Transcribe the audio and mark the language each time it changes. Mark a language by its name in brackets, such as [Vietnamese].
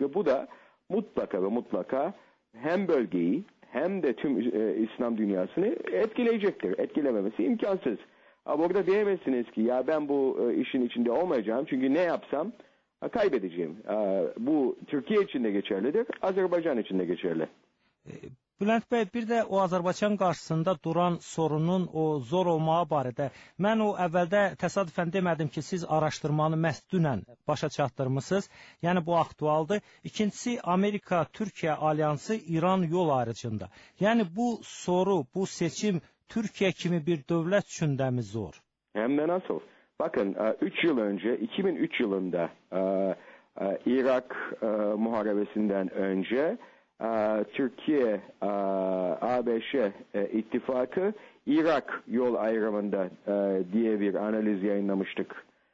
[Turkish] Ve bu da mutlaka ve mutlaka hem bölgeyi hem de tüm İslam dünyasını etkileyecektir. Etkilememesi imkansız. Ama burada diyemezsiniz ki ya ben bu işin içinde olmayacağım çünkü ne yapsam kaybedeceğim. Bu Türkiye için de geçerlidir, Azerbaycan için de geçerli. [Azerbaijani] Bülent Bey, bir də o Azərbaycan qarşısında duran sorunun o zor olmağı barədə. Mən o əvvəldə təsadüfən demədim ki, siz araşdırmanı məhz dünən başa çatdırmısınız. Yəni, bu aktualdır. İkincisi, Amerika-Türkiyə alyansı İran yol ayrıcında. Yəni, bu soru, bu seçim [Turkish] Türkiye kimi bir devlet için de mi zor? Hem de nasıl? Bakın 3 yıl önce 2003 yılında Irak muharebesinden önce Türkiye ABŞ ittifakı Irak yol ayrımında diye bir analiz yayınlamıştık.